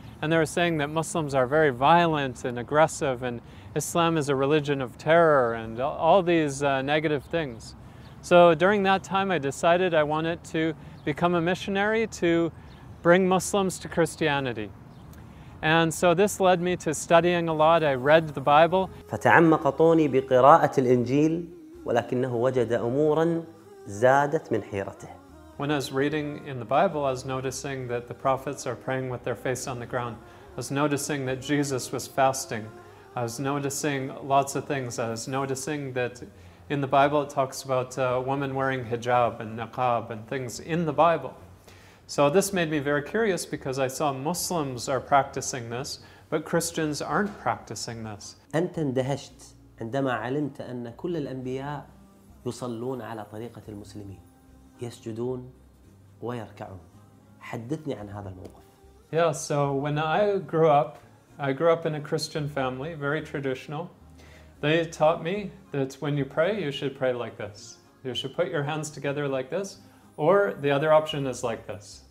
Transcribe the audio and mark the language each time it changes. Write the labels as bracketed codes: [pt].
[en] And they were saying that Muslims are very violent and aggressive and Islam is a religion of terror and all these negative things. So during that time, I decided I wanted to become a missionary to bring Muslims to Christianity. And so this led me to studying a lot. I read the Bible. [ar] فتعمق طوني بقراءة الإنجيل ولكنه وجد أمورا زادت من حيرته. [en] When I was reading in the Bible, I was noticing that the prophets are praying with their face on the ground. I was noticing that Jesus was fasting. I was noticing lots of things. I was noticing that in the Bible it talks about a woman wearing hijab and niqab and things in the Bible. So this made me very curious because I saw Muslims are practicing this, but Christians aren't practicing this. [ar] أنت اندهشت عندما علمت أن كل الأنبياء يصلون على طريقة المسلمين. يسجدون ويركعون. حدثني عن هذا الموقف. [en] Yeah, so when I grew up in a Christian family, very traditional. They taught me that when you pray, you should pray like this. You should put your hands together like this, or the other option is like this.